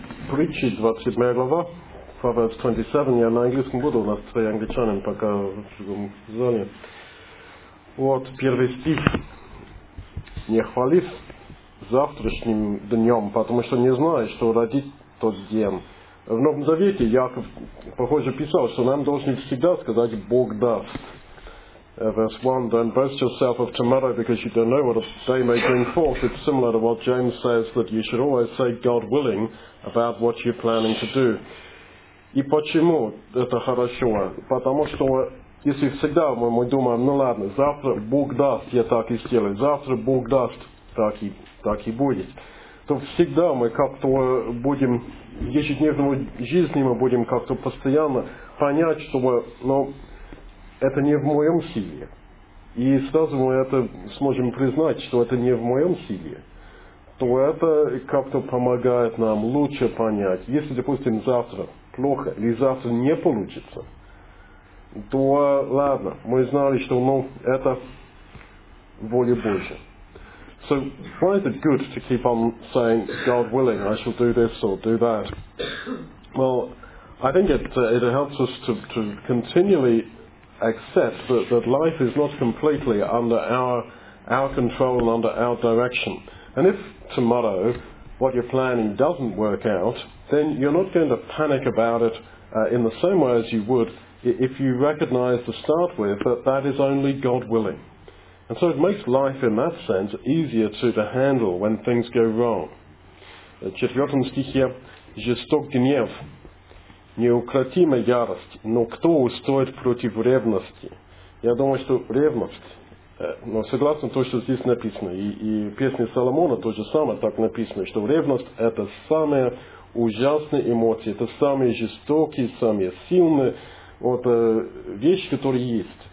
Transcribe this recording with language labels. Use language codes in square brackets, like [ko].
[ru] притчи 27 глава, [en] Proverbs 27, [ru] я на английском буду, у нас твои англичанин пока в другом зоне. Вот первый стих. Не хвались завтрашним днем, потому что не знаешь, что родит тот день. В Новом Завете Яков, похоже, писал, что нам должны всегда сказать «Бог даст». [en] Verse 1, don't boast yourself of tomorrow because you don't know what a day may bring forth. It's similar to what James says, that you should always say God willing about what you're planning to do. [ru] И почему это хорошо? Потому что если всегда мы думаем, ну ладно, завтра Бог даст, я так и сделаю, завтра Бог даст, так и будет, то всегда мы как-то будем, в ежедневной жизни мы будем как-то постоянно понять, что мы, ну, это не в моем силе. И сразу мы это сможем признать, что это не в моем силе, то это как-то помогает нам лучше понять. Если, допустим, завтра плохо или завтра не получится, то ладно, мы знали, что, ну, это воля Божья. [en] So why is it good to keep on saying, God willing, I shall do this or do that? Well, I think it helps us to continually accept that life is not completely under our control and under our direction. And if tomorrow what you're planning doesn't work out, then you're not going to panic about it in the same way as you would if you recognize to start with that is only God willing. And so it makes life in that sense easier to handle when things go wrong. [ru] В четвертом стихе жесток гнев, неукротима ярость, но кто устоит против ревности? Я думаю, что ревность, но согласно то, что здесь написано, и в песне Соломона то же самое так написано, что ревность – это самая ужасная эмоция, это самые жестокие, самые сильные вещи, которые есть.